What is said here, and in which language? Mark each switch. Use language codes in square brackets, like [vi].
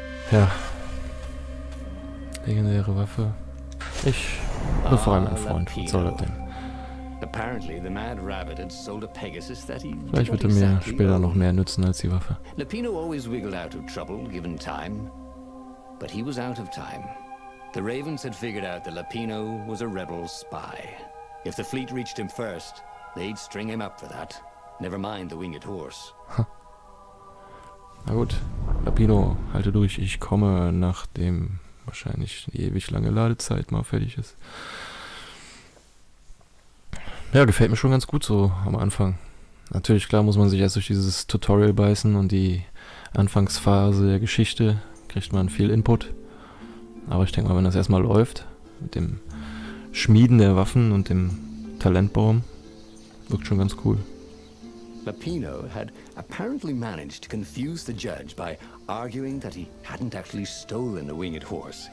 [de] Ja. Legendäre Waffe. Ich befreie meinen Freund. Was soll das denn? [en] Apparently the mad rabbit had sold a Pegasus that he [de] vielleicht würde mir später noch mehr nützen als die Waffe. [en] Lupino always wiggled out of trouble given time. But he was out of time. The Ravens had figured out that Lupino was a rebel spy. If the fleet reached him first, they'd string him up for that. Never mind the winged horse. [de] Na gut, Lupino, halte durch. Ich komme, nachdem wahrscheinlich die ewig lange Ladezeit mal fertig ist. Ja, gefällt mir schon ganz gut so am Anfang. Natürlich, klar, muss man sich erst durch dieses Tutorial beißen und die Anfangsphase der Geschichte kriegt man viel Input. Aber ich denke mal, wenn das erstmal läuft, mit dem Schmieden der Waffen und dem Talentbaum, wirkt schon ganz cool. [en] Lupino had apparently managed to confuse the judge by arguing that he hadn't actually stolen the winged horse.